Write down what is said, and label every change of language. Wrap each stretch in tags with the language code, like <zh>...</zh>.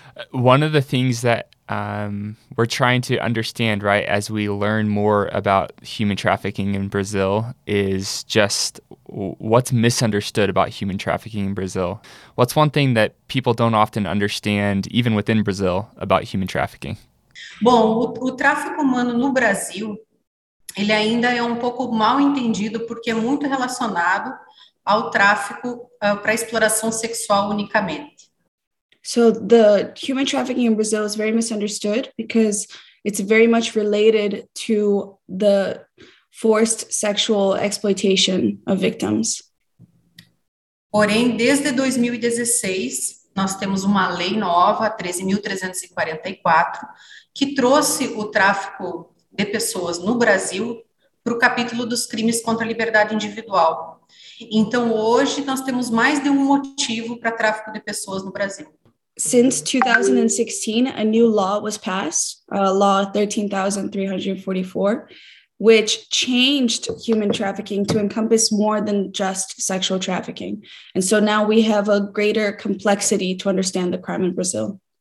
<en>One of the things that we're trying to understand, right, as we learn more about human trafficking in Brazil, is just what's misunderstood about human trafficking in Brazil. What's one thing that people don't often understand, even within Brazil, about human trafficking?</en> <pt>Bom, o tráfico humano no Brasil, ele ainda é pouco mal entendido porque é muito relacionado ao tráfico para exploração sexual unicamente.</pt> <en>So the human trafficking in Brazil is very misunderstood because it's very much related to the forced sexual exploitation of victims.</en> <pt>Porém, desde 2016, nós temos uma lei nova, 13.344, que trouxe o tráfico de pessoas no Brasil para o capítulo dos crimes contra a liberdade individual. Então, hoje, nós temos mais de motivo para tráfico de pessoas no Brasil.</pt> <en>Since 2016, a new law was passed, Law 13,344, which changed human trafficking to encompass more than just sexual trafficking. And so now we have a greater complexity to understand the crime in Brazil.</en>